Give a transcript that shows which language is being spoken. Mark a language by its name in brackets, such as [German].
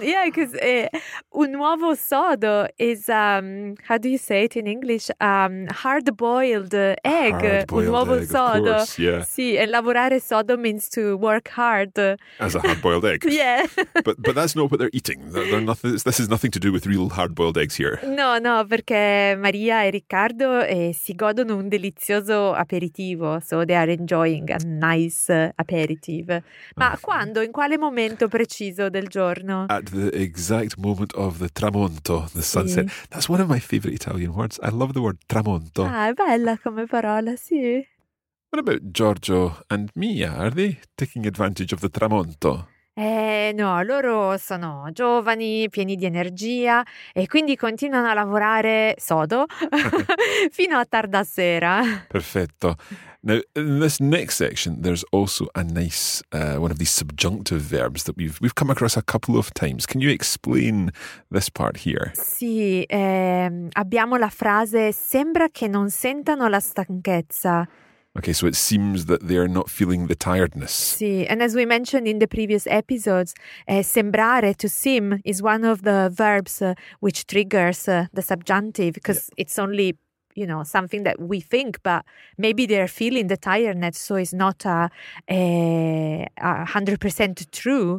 [English] Yeah, because [Italian] un uovo sodo [English] is, how do you say it in English? Hard-boiled egg. Hard-boiled [Italian] un uovo [English] egg, [Italian] sodo. [English] Of course, yeah. Sì, and [Italian] lavorare sodo [English] means to work hard. As a hard-boiled egg. Yeah. But that's not what they're eating. They're nothing, this has nothing to do with real hard-boiled eggs here. [Italian] No, no, perché Maria e Riccardo si godono un delizioso aperitivo. [English] So they are enjoying a nice aperitif. [Italian] Ma quando? In quale momento preciso del giorno? [English] At the exact moment of the tramonto, the sunset. [Italian] Sì. [English] That's one of my favorite Italian words. I love the word tramonto. [Italian] Ah, è bella come parola, sì. [English] What about Giorgio and Mia? Are they taking advantage of the tramonto? [Italian] No, loro sono giovani, pieni di energia e quindi continuano a lavorare sodo fino a tarda sera. Perfetto. [English] Now, in this next section, there's also a nice one of these subjunctive verbs that we've come across a couple of times. Can you explain this part here? [Italian] Sì, abbiamo la frase sembra che non sentano la stanchezza. [English] Okay, so it seems that they are not feeling the tiredness. Sì, and as we mentioned in the previous episodes, sembrare, to seem, is one of the verbs which triggers the subjunctive because yeah. It's only, you know, something that we think, but maybe they're feeling the tiredness, so it's not 100% true.